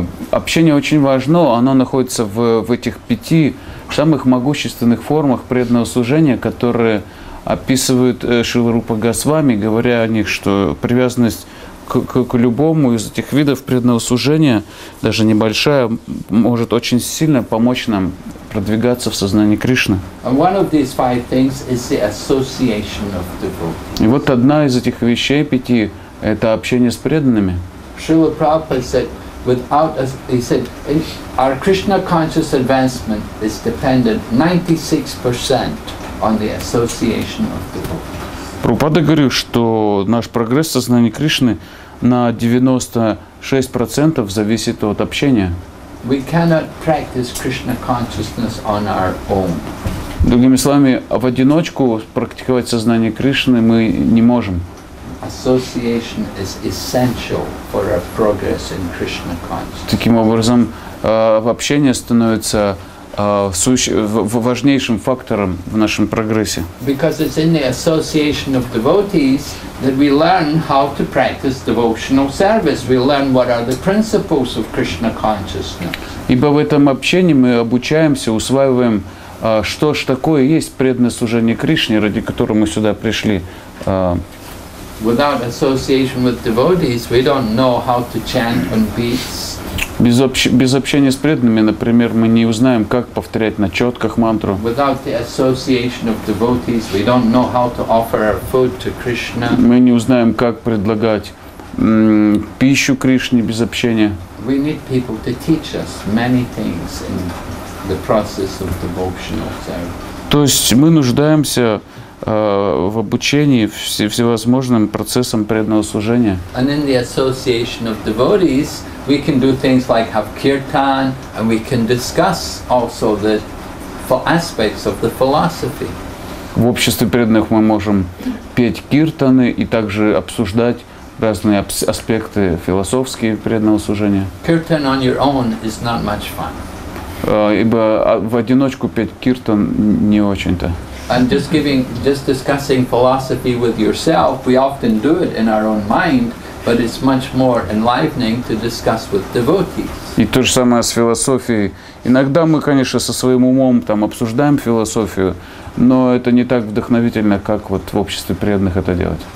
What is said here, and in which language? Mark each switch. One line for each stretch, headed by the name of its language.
Russian: Общение очень важно, оно находится в этих пяти самых могущественных формах преданного служения, которые описывают Шрила Рупа Госвами, говоря о них, что привязанность к любому из этих видов преданного служения, даже небольшая, может очень сильно помочь нам продвигаться в сознании Кришны. И вот одна из этих вещей пяти – это общение с преданными.
English: Srila Prabhupada said, our Krishna conscious advancement is dependent 96% on the association of devotees.
Russian: Прабхупада говорил, что наш прогресс в сознании Кришны на 96% зависит от общения.
English: We cannot practice Krishna consciousness on our own.
Russian: Другими словами, в одиночку практиковать сознание Кришны мы не можем.
English: Association is essential for our progress in Krishna consciousness.
Russian: Таким образом, общение становится важнейшим фактором в нашем прогрессе.
English: Because it's in the association of devotees that we learn how to practice devotional service. We learn what are the principles of Krishna consciousness.
Russian: Ибо в этом общении мы обучаемся, усваиваем, что ж такое есть преданное служение Кришне, ради которого мы сюда пришли.
English: Without association with devotees, we don't know how to chant on beats.
Russian: Без общения с преданными, например, мы не узнаем, как повторять на четках мантру.
English: Without the association of devotees, we don't know how to offer our food to Krishna.
Russian: Мы не узнаем, как предлагать пищу Кришне без общения.
English: We need people to teach us many things in the process of devotional service.
Russian: То есть мы нуждаемся в обучении всевозможным процессам преданного служения.
English: And in the association of devotees, we can do things like have kirtan, and we can discuss also the aspects of the philosophy.
Russian: В обществе преданных мы можем петь киртаны и также обсуждать разные аспекты философские преданного служения.
English: Kirtan on your own is not much fun.
Russian: Ибо в одиночку петь киртан не очень-то.
English: And just discussing philosophy with yourself, we often do it in our own mind, but it's much more enlightening to discuss with devotees.
Russian: И то же самое с философией. Иногда мы, конечно, со своим умом там обсуждаем философию, но это не так вдохновительно, как вот в обществе преданных это делать.